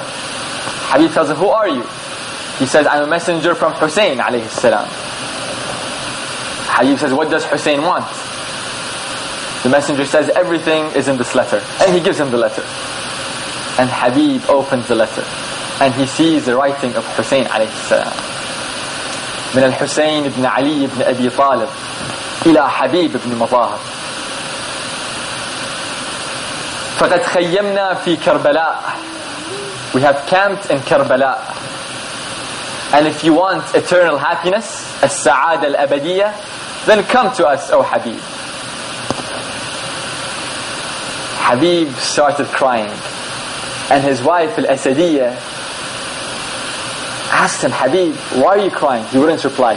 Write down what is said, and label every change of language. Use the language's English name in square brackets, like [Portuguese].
[English] Habib tells him, who are you? He says, I'm a messenger from Hussein alayhi salam. Habib says, what does Hussein want? The messenger says, everything is in this letter. And he gives him the letter. And Habib opens the letter, and he sees the writing of Hussein alayhi salam. [Arabic] Min al-Hussein ibn Ali ibn Abi Talib إلى حبيب بن مظاهر فقد خيمنا في كربلاء. [English] We have camped in Karbala. And if you want eternal happiness, [Arabic] السعادة الأبدية, [English] then come to us, O Habib. Habib started crying. And his wife, Al-Asadiyya, asked him, Habib, why are you crying? He wouldn't reply.